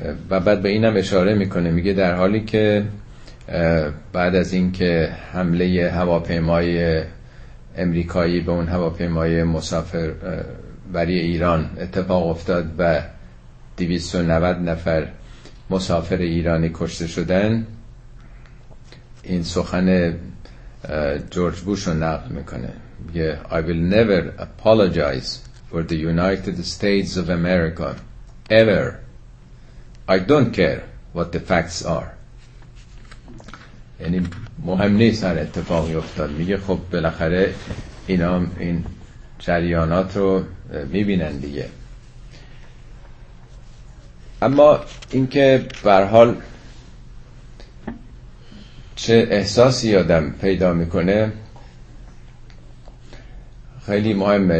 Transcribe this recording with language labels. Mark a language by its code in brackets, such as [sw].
[fa] و بعد به اینم اشاره میکنه، میگه در حالی که بعد از اینکه حمله هواپیمای امریکایی به اون هواپیمای مسافر بری ایران اتفاق افتاد و 290 نفر مسافر ایرانی کشته شدن، این سخن جورج بوش رو نقل میکنه، میگه [en] I will never apologize for the United States of America ever. I don't care what the facts are. [fa] یعنی مهم نیست هر اتفاقی افتاد. میگه خب بالاخره اینا این جریانات رو میبینن دیگه. اما اینکه به هر حال چه احساسی آدم پیدا میکنه خیلی مهمه.